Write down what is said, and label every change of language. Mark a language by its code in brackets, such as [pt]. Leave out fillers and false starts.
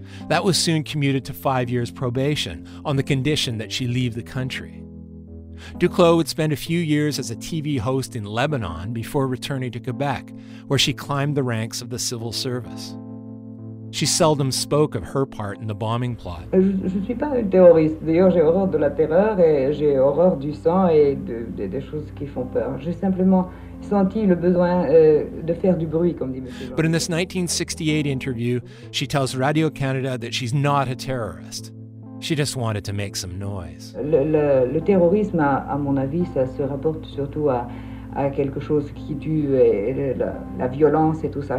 [en] That was soon commuted to 5 years probation on the condition that she leave the country. Duclos would spend a few years as a TV host in Lebanon before returning to Quebec, where she climbed the ranks of the civil service. She seldom spoke of her part in the bombing plot. [fr] Je ne suis pas une terroriste. D'ailleurs, j'ai horreur de la terreur et j'ai horreur du sang et des choses qui font peur. J'ai simplement senti le besoin de faire du bruit, comme dit Monsieur. [en] But in this 1968 interview, she tells Radio-Canada that she's not a terrorist. She just wanted to make some noise. [fr] Le terrorisme, à mon avis, ça se rapporte surtout à quelque chose qui tue, la violence et tout ça.